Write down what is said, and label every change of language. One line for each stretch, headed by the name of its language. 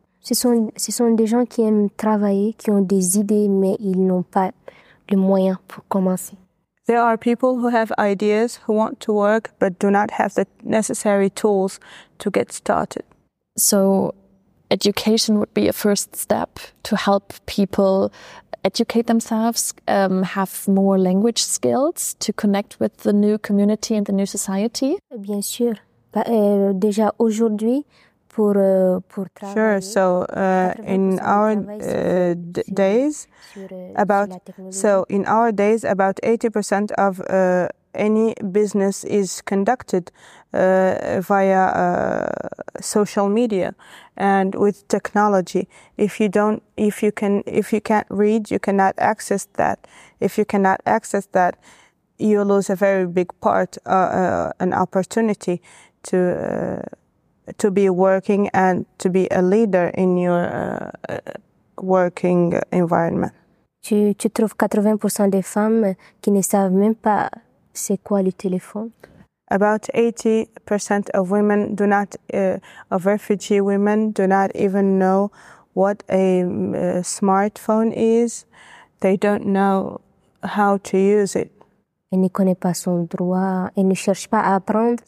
French: Ce sont des gens qui aiment travailler, qui ont des idées, mais ils n'ont pas le moyen pour commencer.
English: There are people who have ideas, who want to work, but do not have the necessary tools to get started. So education would be a first step to help people educate themselves, have more language skills to connect with the new community and the new society?
French: Bien sûr. Déjà aujourd'hui, pour travailler.
English: Sure. So in our days, about 80% of any business is conducted via social media and with technology. If you can't read, you cannot access that. If you cannot access that, you lose a very big part, an opportunity to be working and to be a leader in your working environment.
French: Tu trouves 80% des femmes qui ne savent même pas c'est quoi le téléphone.
English: About 80% of women do not, of refugee women do not even know what a smartphone is. They don't know how to use it.
French: Elle ne connaît pas son droit. Elle ne cherche pas à apprendre.